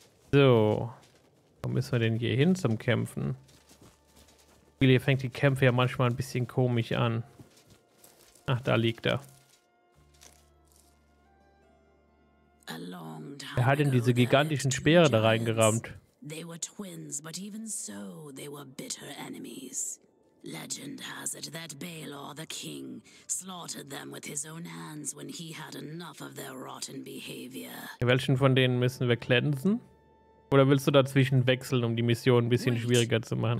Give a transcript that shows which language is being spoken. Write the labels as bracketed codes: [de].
[de] So. Wo müssen wir denn hier hin zum Kämpfen? Hier fängt die Kämpfe ja manchmal ein bisschen komisch an. Ach, da liegt er. Er hat in diese gigantischen Speere da reingerammt. [en] They were twins, but even so, they were bitter enemies. Legend has it that Balor the King slaughtered them with his own hands when he had enough of their rotten behavior. [de] Welchen von denen müssen wir cleansen? Oder willst du dazwischen wechseln, um die Mission ein bisschen schwieriger zu machen?